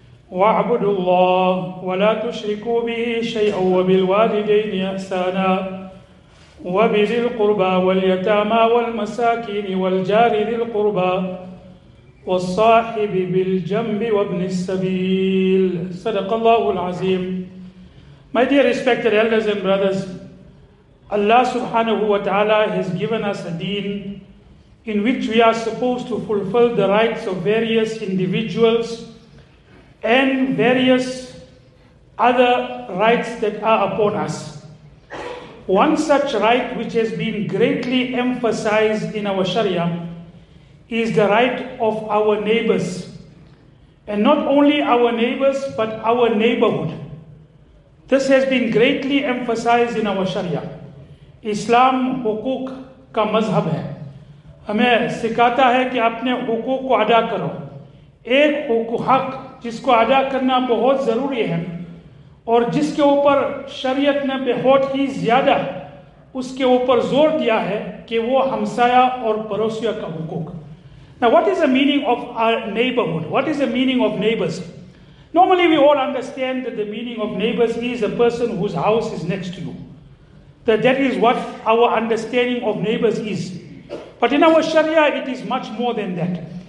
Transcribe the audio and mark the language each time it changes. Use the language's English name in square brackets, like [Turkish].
[Arabic] واعبدوا الله ولا تشركوا به شيئا وبالوالدين احسانا وبذي القربى واليتامى والمساكين والجار ذي القربى والصاحب بالجنب وابن السبيل صدق الله العظيم. [English] My dear respected elders and brothers, Allah subhanahu wa ta'ala has given us a deen in which we are supposed to fulfill the rights of various individuals and various other rights that are upon us. One such right which has been greatly emphasized in our Sharia is the right of our neighbors. And not only our neighbors, but our neighborhood. This has been greatly emphasized in our Sharia. [Urdu] Islam hukuk ka mazhab hai. Hamein sikhata hai ki apne hukuk ko ada karo. Ek hukuk haq جس کو ادا کرنا بہت ضروری ہے اور جس کے اوپر شریعت نے بہت ہی زیادہ اس کے اوپر زور دیا ہے کہ وہ ہمسایہ اور پڑوسیوں کا حقوق. [English] Now what is the meaning of our neighborhood? What is the meaning of neighbors? Normally we all understand that the meaning of neighbors is a person whose house is next to you. That is what our understanding of neighbors is. But in our Sharia it is much more than that.